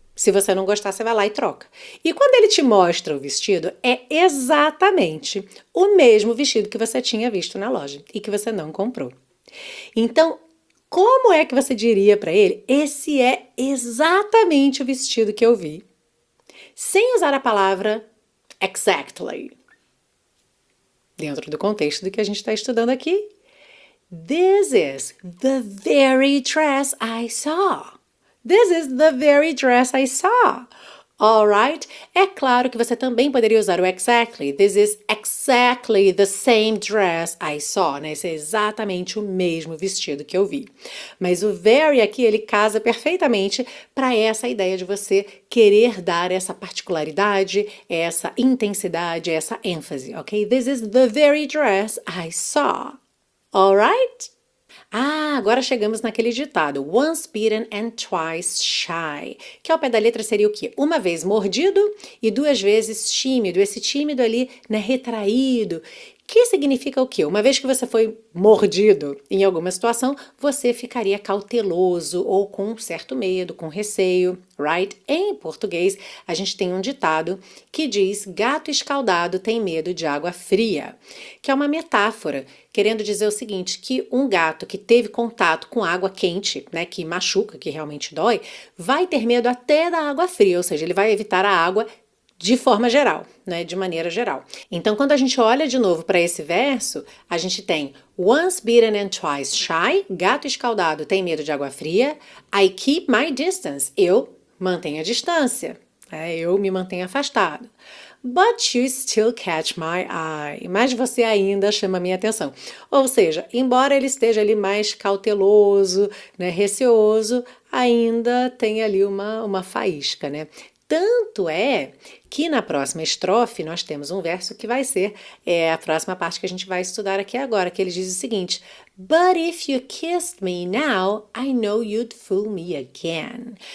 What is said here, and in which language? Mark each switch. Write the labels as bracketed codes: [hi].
[pt] Se você não gostar, você vai lá e troca. E quando ele te mostra o vestido, é exatamente o mesmo vestido que você tinha visto na loja e que você não comprou. Então, como é que você diria para ele: Esse é exatamente o vestido que eu vi, sem usar a palavra exactly? Dentro do contexto do que a gente está estudando aqui. [en] This is the very dress I saw. This is the very dress I saw. [pt] Alright, é claro que você também poderia usar o exactly. [en] This is exactly the same dress I saw, né? [pt] Esse é exatamente o mesmo vestido que eu vi. Mas o very aqui, ele casa perfeitamente para essa ideia de você querer dar essa particularidade, essa intensidade, essa ênfase, ok? [en] This is the very dress I saw. Alright? [pt] Ah, agora chegamos naquele ditado, [en] once bitten and twice shy, [pt] que ao pé da letra seria o quê? Uma vez mordido e duas vezes tímido. Esse tímido ali, né, retraído, que significa o quê? Uma vez que você foi mordido em alguma situação, você ficaria cauteloso ou com um certo medo, com receio, right? Em português, a gente tem um ditado que diz: gato escaldado tem medo de água fria, que é uma metáfora. Querendo dizer o seguinte, que um gato que teve contato com água quente, né, que machuca, que realmente dói, vai ter medo até da água fria, ou seja, ele vai evitar a água de forma geral, né, de maneira geral. Então, quando a gente olha de novo para esse verso, a gente tem [en] once bitten and twice shy, [pt] gato escaldado tem medo de água fria, [en] I keep my distance, [pt] eu mantenho a distância, né, eu me mantenho afastado. [en] But you still catch my eye. [pt] Mas você ainda chama minha atenção. Ou seja, embora ele esteja ali mais cauteloso, né, receoso, ainda tem ali uma faísca, né? Tanto é que na próxima estrofe nós temos um verso que vai ser a próxima parte que a gente vai estudar aqui agora, que ele diz o seguinte: [en] But if you kissed me now, I know you'd fool me again.